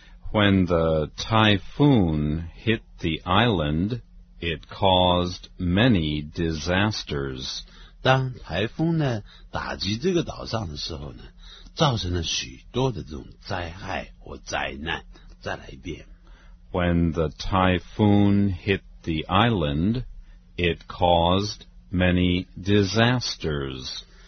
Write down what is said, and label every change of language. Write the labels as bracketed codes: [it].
[en] When the typhoon hit the island, it caused many disasters. [zh] 当台风呢打击这个岛上的时候呢，造成了许多的这种灾害或灾难。再来一遍。 [en] When the typhoon hit the island, it caused many disasters.